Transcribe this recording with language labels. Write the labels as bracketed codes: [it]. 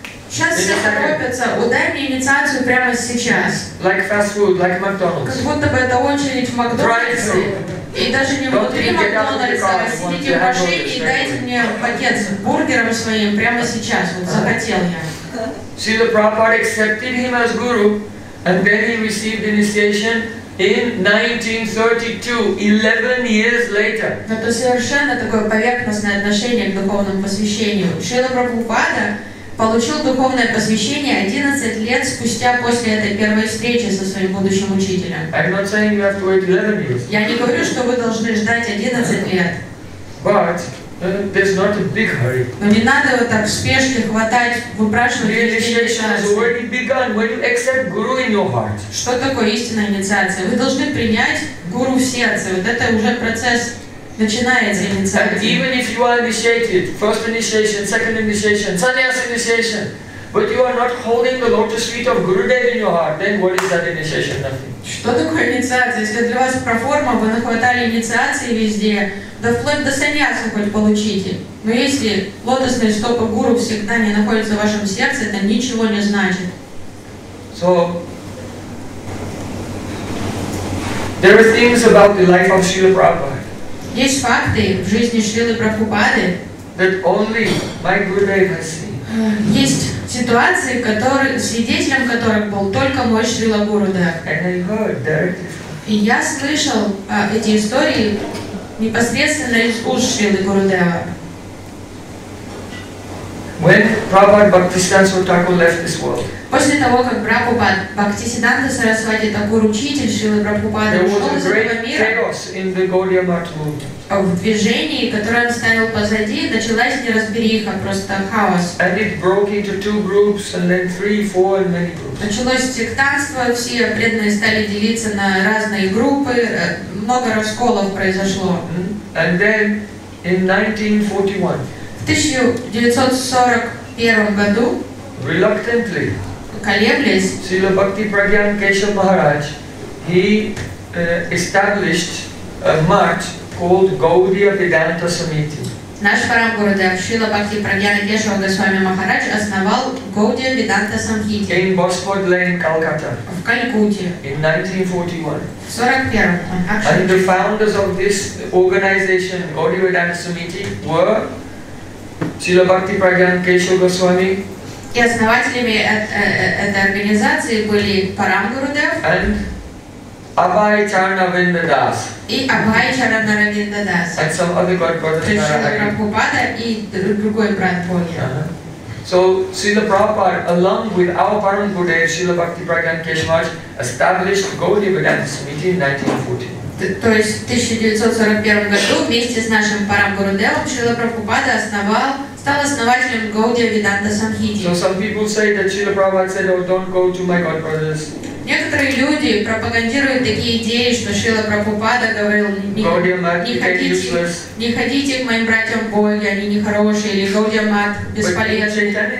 [ru] Сейчас все торопятся. Удай мне инициацию прямо сейчас. [en] Like fast food, like McDonald's. [ru] Как будто бы это очередь в Макдональдсе. И даже не внутри Макдональдса, а сидите в машине и дайте мне пакет с бургером своим прямо сейчас. Вот захотел я. [en] Srila Prabhupada accepted him as guru, and then he received initiation. In 1932, 11 years later. I'm not saying you have to wait 11 years. [ru] Я не говорю, что вы должны ждать 11 лет. [en] But there's not a big hurry. [ru] Но не надо вот так в спешке хватать, выпрашивать эти инициации. [en] Initiation has already begun when you accept guru in your heart. [ru] Что такое истинная инициация? Вы должны принять гуру в сердце. Вот это уже процесс начинается инициации. [en] Even if you are initiated, first initiation, second initiation, sannyas initiation, but you are not holding the lotus feet of Gurudev in your heart, then what is that initiation? Nothing. [ru] Что такое инициация? Если для вас проформа, вы нахватали инициации везде, да вплоть до саньяса хоть получите. Но если лотосные стопы гуру всегда не находятся в вашем сердце, это ничего не значит. [en] So, there are things about the life of Srila Prabhupada. [ru] Есть факты в жизни Шрилы Прабхупады. [en] That only my Gurudev has seen. [ru] Есть ситуации, которые, свидетелем которых был только мой Шрила Гурудев. И я слышал эти истории непосредственно из уст Шрилы Гурудева. [en] When Prabhupada Bhaktisiddhanta Saraswati Thakur left this world, [ru] после того, как Прабхупада Бхактисиддханта Сарасвати Такур, учитель Шрилы Прабхупады, ушел из этого мира, в движении, которое он ставил позади, началась неразбериха, просто хаос. [en] And it broke into two groups, and then three, four, and many groups. [ru] Началось сектантство, все преданные стали делиться на разные группы, много расколов произошло. [en] And then, in 1941, [ru] в 1941 году, [en] reluctantly, [ru] колеблясь, [en] Srila Bhakti Pragyan Keshav Maharaj, he established a march called Gaudiya Vedanta Samiti. [ru] Наш Парам Гурудев, Шрила Бхакти Прагьян Кешава Госвами Махарадж, основал Гаудия Веданта Самхити. [en] In Bosford Lane, Calcutta. [ru] В Калькутте. [en] In 1941. [ru] В 1941. [en] And the founders of this organization, Gaudiya Vedanta Samiti, were Srila Bhakti Pragyan Keshav Goswami. [ru] И основателями этой организации были Парам Гурудев. [en] Abhay Charanavinda Das. [ru] И Абхай Чаранаравинда Дас. [en] And some other god brothers. [ru] Прабхупада и другой брат Боги. [en] So Srila Prabhupada, along with our Param Gurudev, Srila Bhakti Pragyan Keshavaj, established Gaudiya Vedanta Samiti in 1940. [ru] То есть в 1941 году вместе с нашим Парам Гурудевом Шрила Прабхупада основал стал основателем Gaudiya Vedanta Samhiti. [en] So some people say that Srila Prabhupada said, oh, don't go to my god brothers. [ru] Некоторые люди пропагандируют такие идеи, что Шрила Прабхупада говорил, не ходите к моим братьям Боги, они нехорошие, или Gaudiya Math